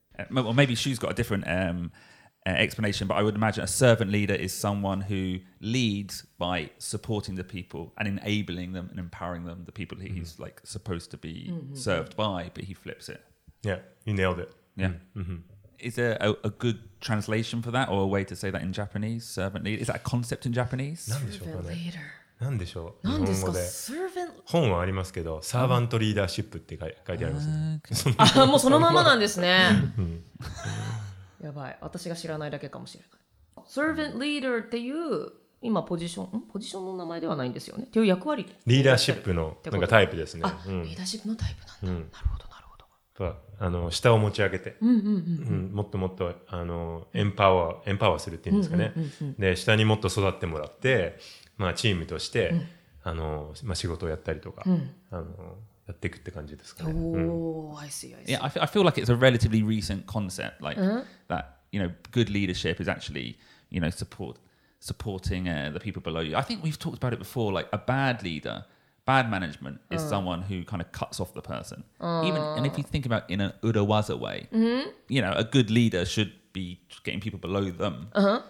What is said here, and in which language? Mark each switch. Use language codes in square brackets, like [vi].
[en] Well, maybe she's got a different explanation, but I would imagine a servant leader is someone who leads by supporting the people and enabling them and empowering them, the people he's like supposed to be served by, but he flips it. Yeah, you nailed it. Yeah. Is there a good translation for that or a way to say that in Japanese? Servant leader? Is that a concept in Japanese? Servant leader. [ja] 何でしょう、何ですか、で servant… 本はありますけど、サーヴァントリーダーシップって書いてありますね。そのあ、もうそのままなんですね。やばい、私が知らないだけかもしれない。 servant leader っていう今ポジション、ポジションの名前ではないんですよね、っていう役割、リーダーシップのなんかタイプですね。あ、うん、リーダーシップのタイプなんだ、うん、なるほどなるほど。あの下を持ち上げて、もっともっとあのエンパワーするっていうんですかね、うんうんうんうん、で下にもっと育ってもらって、まあ、チームとして、うん、あのまあ、仕事をやったりとか、うん、あのやっていくって感じですかね。 [en] Oh, I see, I see. Yeah, I feel like it's a relatively recent concept, like、uh-huh. that, you know, good leadership is actually, you know, supporting、the people below you. I think we've talked about it before, like a bad leader, bad management is、uh-huh. someone who kind of cuts off the person.、Uh-huh. Even, and if you think about it in an Urawaza way,、uh-huh. you know, a good leader should be getting people below them、uh-huh.